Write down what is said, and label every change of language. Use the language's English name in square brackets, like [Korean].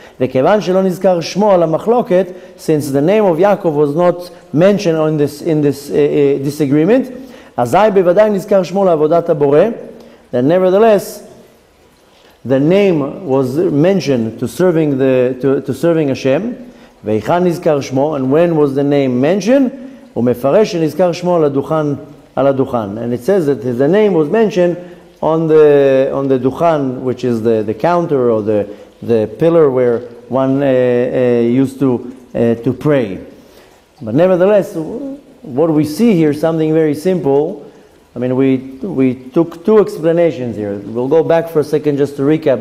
[Hebrew] Vekevan shelo nizkar shmo al hamachloket, [English] since the name of Yaakov was not mentioned in this disagreement, [Hebrew] אזי בוודאי נזכר שמו לעבודת הבורא. [English] Then nevertheless, the name was mentioned to serving Hashem. [Hebrew] ואיכן נזכר שמו, [English] and when was the name mentioned? [Hebrew] הוא מפרש שנזכר שמו על הדוכן. [English] And it says that the name was mentioned on the דוכן, which is the counter or the pillar where one used to pray. But nevertheless, what we see here, something very simple. I mean, we took two explanations here. We'll go back for a second just to recap.